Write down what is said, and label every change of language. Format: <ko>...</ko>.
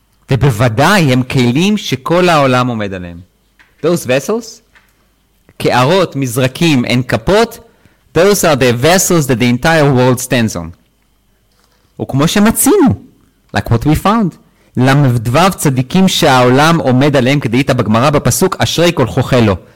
<he>ובוודאי הם כלים שכל העולם עומד עליהם.</he> <en>Those vessels, כערות, מזרקים, and כפות, those are the vessels that the entire world stands on.</en> <he>וכמו שמצינו,</he> <en>like what we found,</en> <he>למדבב צדיקים שהעולם עומד עליהם, כדאית בגמרה בפסוק, אשרי כל חוכה לו.</he>